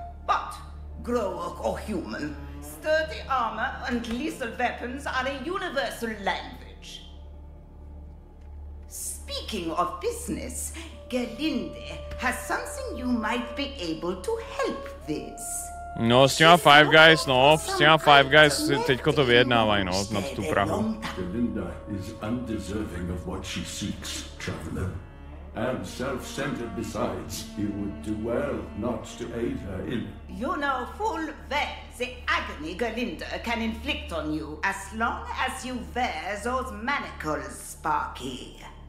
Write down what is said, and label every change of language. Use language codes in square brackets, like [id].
[en] But, Groark or human, sturdy armor and lethal weapons are a universal language. Speaking of business, Gerlinde has something you might be able to help with. [cs] No, s těma Five Guys, no, s těma Five Guys teďko to vyjednávají, no, na tu Prahu. [en] Gerlinde is undeserving of what she seeks, traveler. And self-centered besides, you would do well not to aid her in. You know full well the agony Gerlinde can inflict on you as long as you wear those manacles, Sparky.